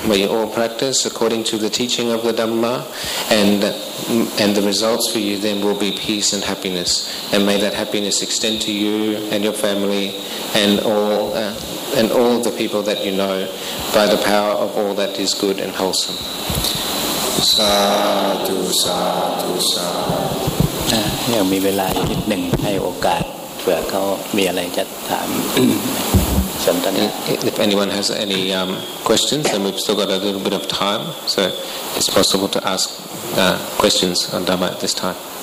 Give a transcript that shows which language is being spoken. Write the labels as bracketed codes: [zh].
[en] May you all practice according to the teaching of the Dhamma, and the results for you then will be peace and happiness. And may that happiness extend to you and your family and all the people that you know by the power of all that is good and wholesome. Sādhu, sādhu, sādhu. [th] ยังมีเวลาอีกนิดหนึ่งให้โอกาสเผื่อเขามีอะไรจะถามสันตน [en] ะ If anyone has any questions, then we've still got a little bit of time, so it's possible to ask questions on Dhamma at this time.